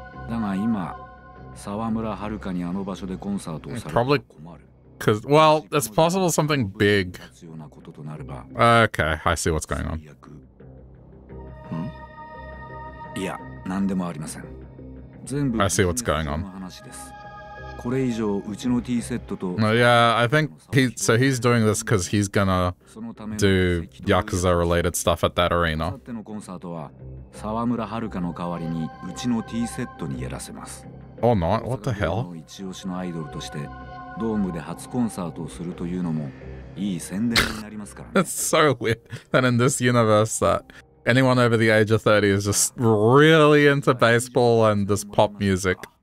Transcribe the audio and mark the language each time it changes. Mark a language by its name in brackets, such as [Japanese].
[Japanese] だが今、沢村遥にあの場所でコンサートをされると困る。 [English] Because, well, it's possible something big. Okay, I see what's going on. [Japanese] ん？いや、何でもありません。全部、 [English] I see what's going on. [Japanese] この話です。これ以上うちのティーセットと。 [English] Yeah, I think he so he's doing this because he's gonna do Yakuza related stuff at that arena. [Japanese] のコンサートは沢村遥の代わりにうちのティーセットにやらせます。 [English] Or not? What the hell? [Japanese] 一押しのアイドルとしてドームで初コンサートをするというのもいい宣伝になりますから、ね。 [English] That's so weird that in this universe that anyone over the age of 30 is just really into baseball and this pop music.